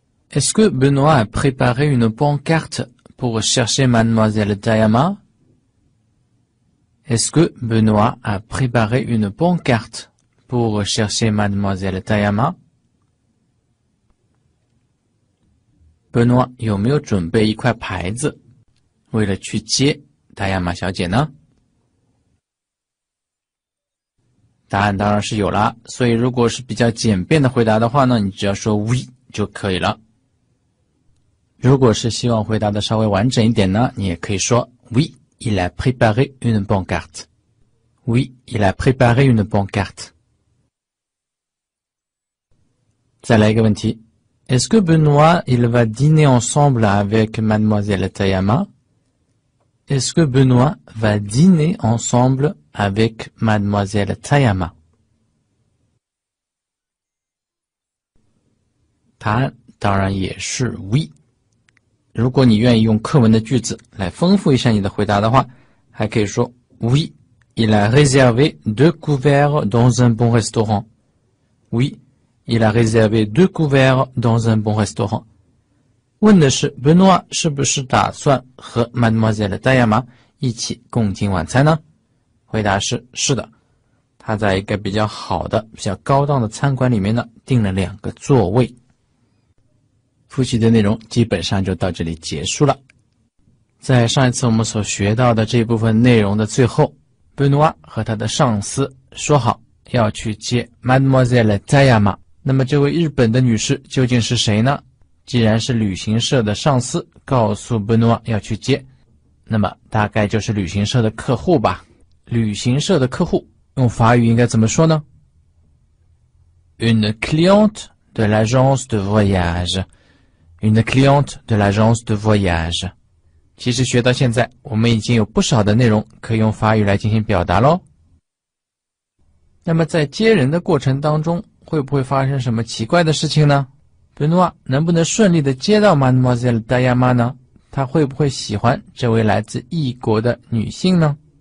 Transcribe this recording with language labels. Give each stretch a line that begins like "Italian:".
French: Est-ce que Benoît a préparé une pancarte pour chercher Mademoiselle Tayama? Est-ce que Benoît a préparé une pancarte pour chercher Mademoiselle Tayama?
Chinese: Benoît 有没有准备一块牌子为了去接戴亚玛小姐呢？答案当然是有啦，所以如果是比较简便的回答的话呢，你只要说 oui 就可以了。如果是希望回答的稍微完整一点呢，你也可以说
French: Oui, il a préparé une pancarte. Oui, il a préparé une pancarte.
Chinese: 再来一个问题。
French: Est-ce que Benoît, il va dîner ensemble avec Mademoiselle Tayama? Est-ce que Benoît va dîner ensemble avec Mademoiselle Tayama?
Chinese: 答案当然也是 Oui. 如果你愿意用课文的句子来丰富一下你的回答的话，还可以说
French: Oui, il a réservé deux couverts dans un bon restaurant. Oui, il a réservé deux couverts dans un bon restaurant.
Chinese: 问的是 Benoît 是不是打算和 Mademoiselle Tayama 一起共进晚餐呢？回答是是的，他在一个比较好的、比较高档的餐馆里面呢，订了两个座位。复习的内容基本上就到这里结束了。在上一次我们所学到的这部分内容的最后， Benoît 和他的上司说好要去接 Mademoiselle Tayama。那么这位日本的女士究竟是谁呢？既然是旅行社的上司告诉 Benoît 要去接，那么大概就是旅行社的客户吧。旅行社的客户用法语应该怎么说呢？
French: Une cliente de l'agence de voyageUne cliente de l'agence de voyage.
Chinese: 其实学到现在，我们已经有不少的内容可以用法语来进行表达咯。那么在接人的过程当中，会不会发生什么奇怪的事情呢？ Benoît 能不能顺利地接到 Mademoiselle Tayama 呢？他会不会喜欢这位来自异国的女性呢？